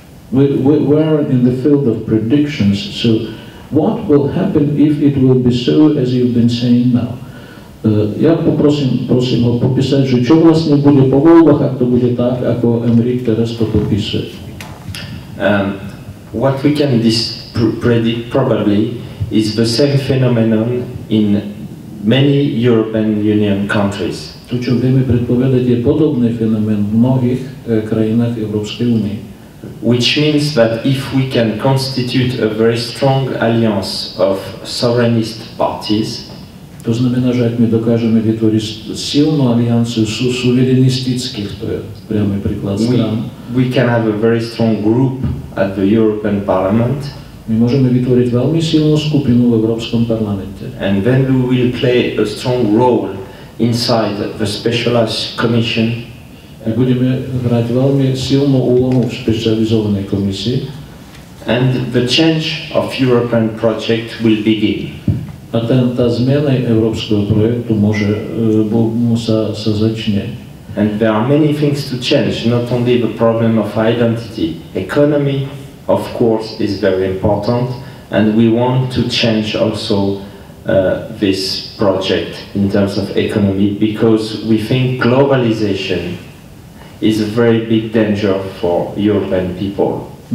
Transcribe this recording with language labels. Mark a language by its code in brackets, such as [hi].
[en] We were in the field of predictions, so what will happen if it will be so as you've been saying now? [sk] Ja prosím ho popísať, že čo vlastne bude po voľbách, ak to bude tak, ako Aymeric teraz to popísuje. [en] What we can predict probably is the same phenomenon in many European Union countries. [sk] To, čo vieme predpovedať, je podobný fenomén v mnohých krajinách Európskej únie. [en] Which means that if we can constitute a very strong alliance of sovereignist parties, [sk] to znamená, že ak my dokážeme vytvoriť silnú alianciu suverenistických, to je priamy príklad strán, [en] we can have a very strong group at the European Parliament. [sk] My môžeme vytvoriť veľmi silnú skupinu v Európskom parlamente. [en] And then we will play a strong role inside the specialized commission. [sk] A budeme hrať veľmi silnú úlohu v špecializovanej komisii. [en] And the change of European project will begin. [sk] A tá zmena európskeho projektu môže sa začne. [en] And there are many things to change, not only the problem of identity. Economy, of course, is very important, and we want to change also this project in terms of economy, because we think globalization is a very big danger for European people.